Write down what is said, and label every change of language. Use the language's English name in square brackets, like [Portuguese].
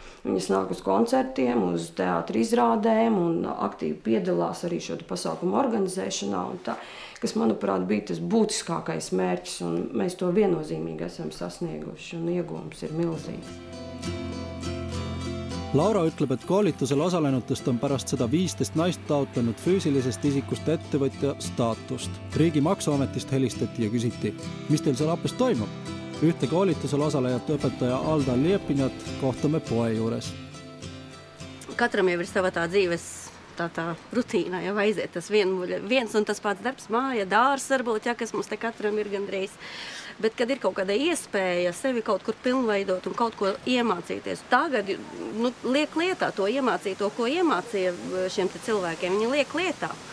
[Latvian] Viņas nāk uz koncertiem, uz teātra izrādēm un aktīvi piedalās arī šo pasākumu organizēšanā. Un tā, kas, manuprāt, bija tas būtiskākais mērķis, un mēs to viennozīmīgi esam sasnieguši, un iegūms ir milzīgs. [Estonian] Laura ütleb, et koolitusel osalenutest on pärast seda 15 naist taotlenud füüsilisest isikust ettevõtja staatust. Riigi maksuametist helistati ja küsiti, mis teil seal appes toimub? Ühte koolitusel osalejat õpetaja Alda Liepinjat kohtame poe juures. [Latvian] Katram jau ir sava tā dzīves tā rutīna, ja vaiziet tas viens un tas pats darbs, māja, dārs varbūt, ja, kas mums te katram ir gandrīz. Bet, kad ir kaut kāda iespēja sevi kaut kur pilnveidot un kaut ko iemācīties, tagad, nu, liek lietā to iemācīto, ko iemācīja šiem te cilvēkiem, viņi liek lietā.